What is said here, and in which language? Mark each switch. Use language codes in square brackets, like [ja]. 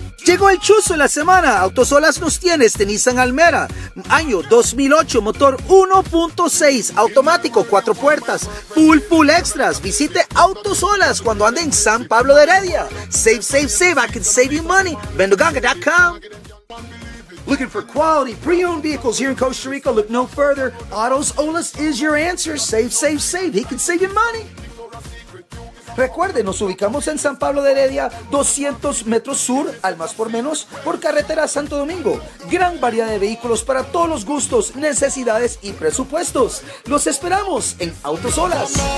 [es] Llegó el chuzo de la semana, Autosolas nos tiene este Nissan Almera, año 2008, motor 1.6, automático, cuatro puertas, full extras, visite Autosolas cuando ande en San Pablo de Heredia, [en] save, save, save, I can save you money, [es] VendoGanga.com. [en] Looking for quality pre-owned vehicles here in Costa Rica? Look no further, Autos Olas is your answer, save, save, save, he can save you money. [es] Recuerde, nos ubicamos en San Pablo de Heredia, 200 metros sur, al más por menos, por carretera Santo Domingo. Gran variedad de vehículos para todos los gustos, necesidades y presupuestos. Los esperamos en Autosolas.